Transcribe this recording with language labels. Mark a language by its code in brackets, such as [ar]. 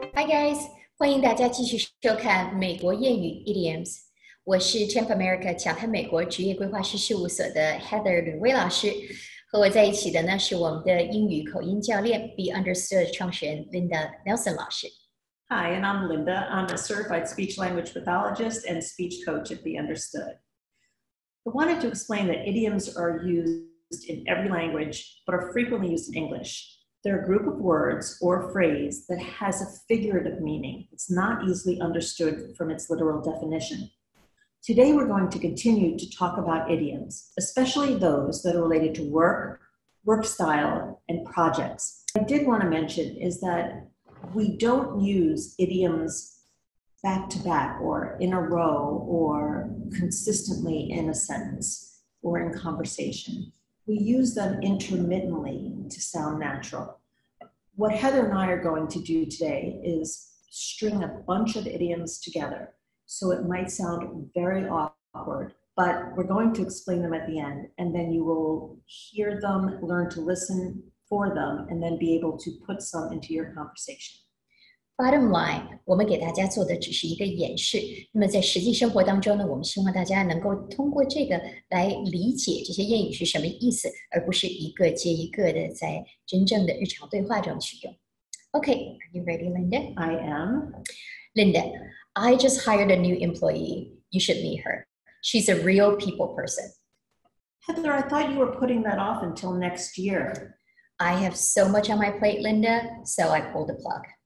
[en] guys， [zh] 欢迎大家继续收看美国谚语 idioms。我是 Champ America 强探美国职业规划师事务所的 Heather 吕薇老师，和我在一起的呢是我们的英语口音教练 Be Understood 创始人 Linda Nelson 老师。 [en] Hi， and I'm Linda. I'm a certified speech language pathologist and speech coach at Be Understood. I wanted to explain that idioms are used in every language, but are frequently used in English. They're a group of words or phrase that has a figurative meaning. It's not easily understood from its literal definition. Today, we're going to continue to talk about idioms, especially those that are related to work, work style, and projects. What I did want to mention is that we don't use idioms back to back or in a row or consistently in a sentence or in conversation. We use them intermittently to sound natural. What Heather and I are going to do today is string a bunch of idioms together. So it might sound very awkward, but we're going to explain them at the end, and then you will hear them, learn to listen for them, and then be able to put some into your conversation. Bottom line, [zh] 我们给大家做的只是一个演示。那么在实际生活当中呢，我们希望大家能够通过这个来理解这些谚语是什么意思，而不是一个接一个的在真正的日常对话中去用。 [en] Okay, are you ready, Linda? I am. Linda, I just hired a new employee. You should meet her. She's a real people person. Heather, I thought you were putting that off until next year. I have so much on my plate, Linda, so I pulled the plug.